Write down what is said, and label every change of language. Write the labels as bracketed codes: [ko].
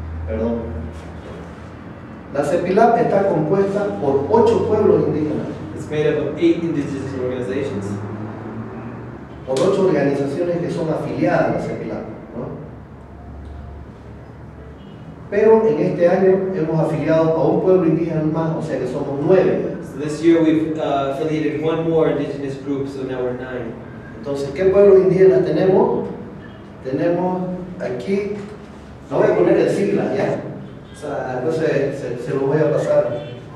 [es] Perdón. La Sefilat está compuesta por 8 pueblos indígenas. [en] It's made up of 8 indigenous organizations. [es] Por 8 organizaciones que son afiliadas a la Sefilat, ¿no? Pero en este año hemos afiliado a un pueblo indígena más, o sea que somos 9. [en] So this year we've affiliated one more indigenous group, so now we're 9. [es] Entonces, ¿qué pueblos indígenas tenemos? Tenemos aquí, no voy a poner el sigla, ya. O sea, entonces se lo voy a pasar.